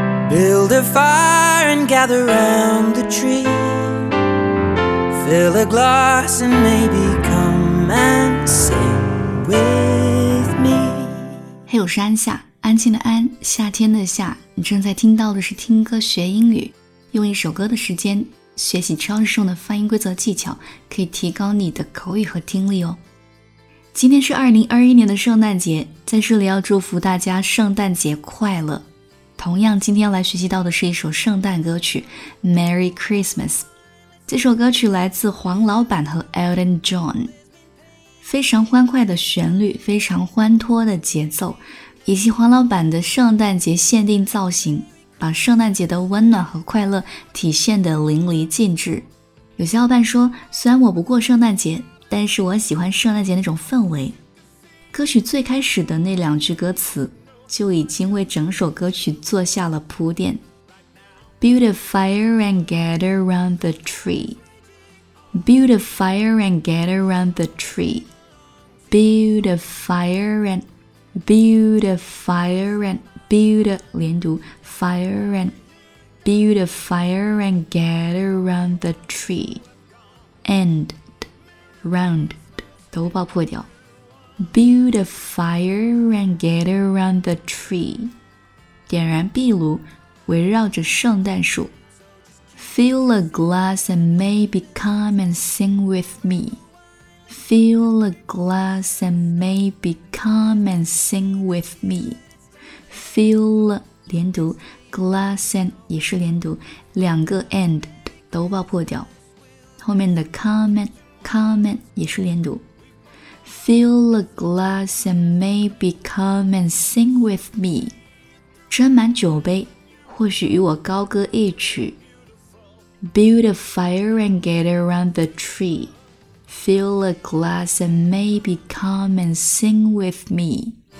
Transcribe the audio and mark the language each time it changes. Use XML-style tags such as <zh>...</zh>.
<en>Build a fire and gather round the tree. Fill a glass and maybe come and sing with me.</en> <zh>Hey, 我是安夏，安静的安，夏天的夏。你正在听到的是听歌学英语，用一首歌的时间学习超实用的发音规则技巧，可以提高你的口语和听力哦。今天是2021年的圣诞节，在这里要祝福大家圣诞节快乐。同样，今天要来学习到的是一首圣诞歌曲 Merry Christmas。这首歌曲来自黄老板和 Elton John， 非常欢快的旋律，非常欢脱的节奏，以及黄老板的圣诞节限定造型，把圣诞节的温暖和快乐体现得淋漓尽致。有些伙伴说，虽然我不过圣诞节，但是我喜欢圣诞节那种氛围。歌曲最开始的那两句歌词就已经为整首歌曲做下了铺垫。</zh> <en>Build a fire and gather around the tree. Build a fire and gather around the tree. Build a fire and build a fire and build a</en> <zh>连读</zh> <en>fire and build a fire and gather around the tree. And round</en> <zh>都爆破掉。</zh> <en>Build a fire and get around the tree.</en> <zh>点燃壁炉，围绕着圣诞树。</zh> <en>Fill a glass and maybe come and sing with me. Fill a glass and maybe come and sing with me. Fill a</en> <zh>连读</zh> <en>glass and</en> <zh>也是连读，两个</zh> <en>and</en> <zh>都爆破掉。后面的</zh> <en>come and</en> <zh>也是连读。</zh> <en>Fill a glass and maybe come and sing with me.</en> <zh>斟满酒杯，或许与我高歌一曲。</zh> <en>Build a fire and get around the tree. Fill a glass and maybe come and sing with me.</en>